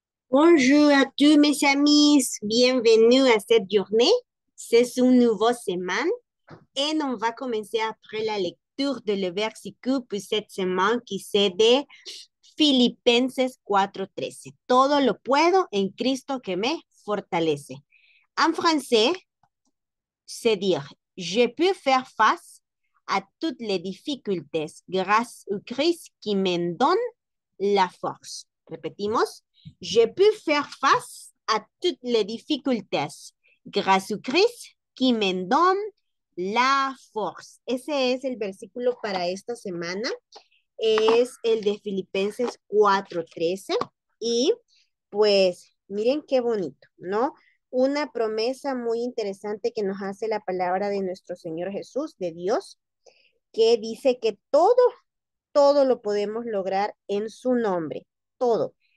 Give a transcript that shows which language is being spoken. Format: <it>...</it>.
<fr>Bonjour à tous mes amis, bienvenue à cette journée. C'est une nouvelle semaine et on va commencer après la lecture de le versicule pour cette semaine qui c'est de Philippiens 4:13.</fr> <es>Todo lo puedo en Cristo que me fortalece.</es> <fr>En français, c'est dire, j'ai pu faire face à toutes les difficultés grâce au Christ qui me donne la force. Répétons. J'ai pu faire face à toutes les difficultés grâce au Christ qui me donne la force.</fr> <es>Ese es el versículo para esta semana. Es el de Filipenses 4:13. Y pues miren qué bonito, ¿no? Una promesa muy interesante que nos hace la palabra de nuestro Señor Jesús, de Dios, que dice que todo lo podemos lograr en su nombre, todo.</es>